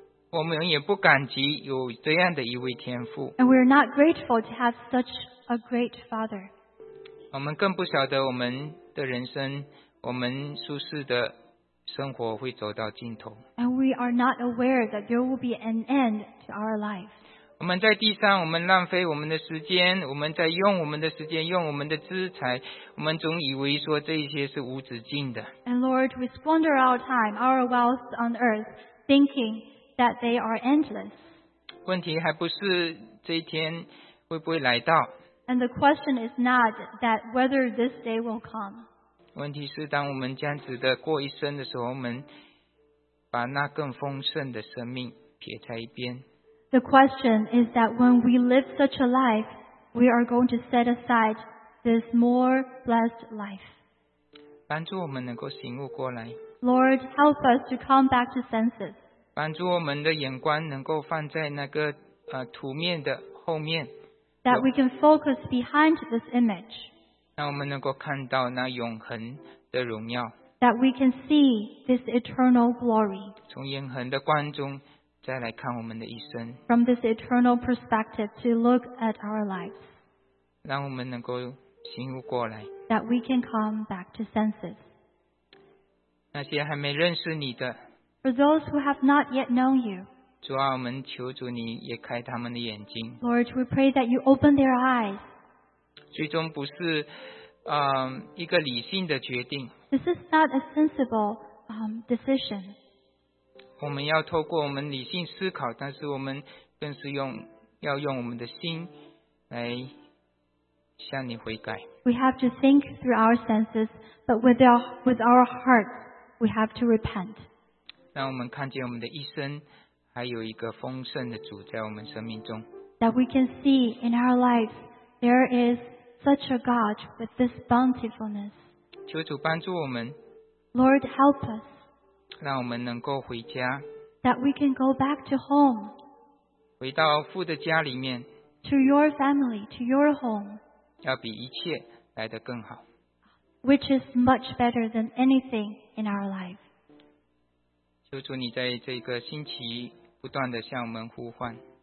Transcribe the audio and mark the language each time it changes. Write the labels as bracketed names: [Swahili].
[Chinese] 我们也不感激有这样的一位天父。 [English] And we are not grateful to have such a great Father。 [Chinese] 我们更不晓得我们的人生，我们舒适的生活会走到尽头。 [English] And we are not aware that there will be an end to our life。 [Chinese] 我们在地上，我们浪费我们的时间，我们在用我们的时间，用我们的资财，我们总以为说这些是无止境的。 [English] And Lord, we squander our time, our wealth on earth, thinking that they are endless。 [Chinese] 问题还不是这一天会不会来到。 [English] And the question is not that whether this day will come。 [Chinese] 问题是当我们这样子的过一生的时候，我们把那更丰盛的生命撇在一边。 [English] The question is that when we live such a life, we are going to set aside this more blessed life. [Chinese] 帮助我们能够醒悟过来。 [English] Lord, help us to come back to senses. [Chinese] 帮助我们的眼光能够放在那个图面的后面。 [English] That we can focus behind this image. [Chinese] 让我们能够看到那永恒的荣耀。 [English] That we can see this eternal glory. [Chinese] 从永恒的光中再来看我们的一生。 [English] From this eternal perspective to look at our lives. [Chinese] 让我们能够醒悟过来。 [English] That we can come back to senses. [Chinese] 那些还没认识你的。 [English] For those who have not yet known you. [Chinese] 主啊，我们求主你也开他们的眼睛。 [English] Lord, we pray that you open their eyes. [Chinese] 最终不是一个理性的决定。 [English] This is not a sensible decision. [Chinese] 我们要透过我们理性思考，但是我们更是要用我们的心来向你悔改。 [English] We have to think through our senses, but with our hearts, we have to repent. [Chinese] 让我们看见我们的一生还有一个丰盛的主在我们生命中。 [English] That we can see in our lives there is such a God with this bountifulness. [Chinese] 求主帮助我们。 [English] Lord, help us. [Chinese] 让我们能够回家。 [English] That we can go back to home. [Chinese] 回到父的家里面。 [English] To your family, to your home. [Chinese] 要比一切来得更好。 [English] Which is much better than anything in our life. [Chinese] 求主你在这个星期不断地向我们呼唤。